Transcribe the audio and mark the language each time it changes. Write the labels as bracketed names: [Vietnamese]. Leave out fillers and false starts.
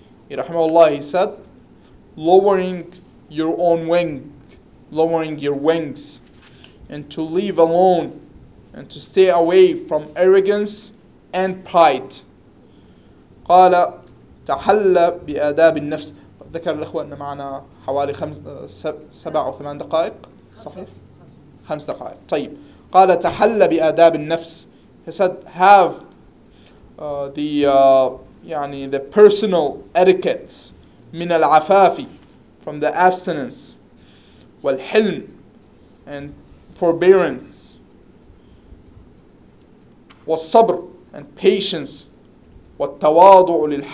[Arabic] رحمه الله [English] he said lowering your own wing, lowering your wings, and to leave alone and to stay away from arrogance and pride. [Arabic] قال تحلى بآداب النفس. ذكر الأخوة أن معنا حوالي 7 أو 8 دقائق، صحيح؟ 5 دقائق. طيب، قال تحلى بآداب النفس. [English] He said have the personal etiquettes [Arabic] من العفاف [English] from the abstinence [Arabic] والحلم [English] and forbearance [Arabic] والصبر [English] and patience [Arabic] والتواضع